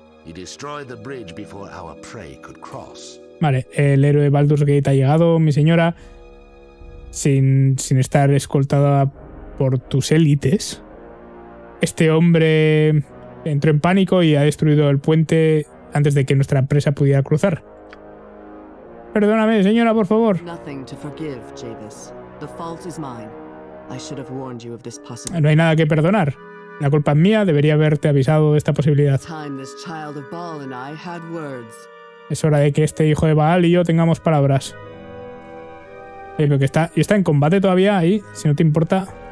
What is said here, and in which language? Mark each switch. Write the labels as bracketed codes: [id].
[en] He destroyed the bridge before our prey could cross. [es] Vale, el héroe Baldur's Gate ha llegado, mi señora, sin estar escoltada por tus élites. Este hombre entró en pánico y ha destruido el puente antes de que nuestra presa pudiera cruzar. Perdóname, señora, por favor. [en] Nothing to forgive, Javis. The fault is mine. I should have warned you of this possibility. [es] No hay nada que perdonar. La culpa es mía, debería haberte avisado de esta posibilidad. [en] This child of Baal and I had words. [es] Es hora de que este hijo de Baal y yo tengamos palabras. Pero que está en combate todavía ahí, si no te importa.